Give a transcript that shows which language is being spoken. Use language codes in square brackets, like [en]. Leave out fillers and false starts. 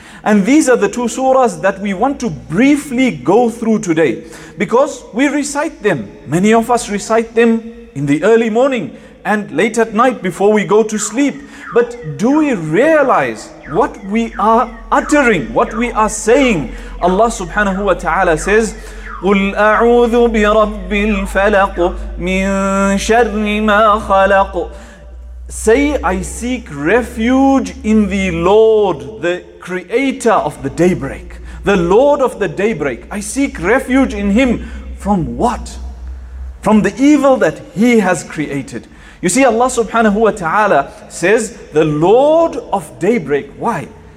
[en] And these are the two surahs that we want to briefly go through today, because we recite them. Many of us recite them in the early morning and late at night before we go to sleep. But do we realize what we are uttering, what we are saying? Allah subhanahu wa ta'ala says, [ar] قُلْ أَعُوذُ بِرَبِّ الْفَلَقُ مِنْ شَرِّ مَا خَلَقُ. [en] Say, I seek refuge in the Lord, the creator of the daybreak. The Lord of the daybreak. I seek refuge in Him from what? From the evil that He has created. You see, Allah subhanahu wa ta'ala says, the Lord of daybreak. Why?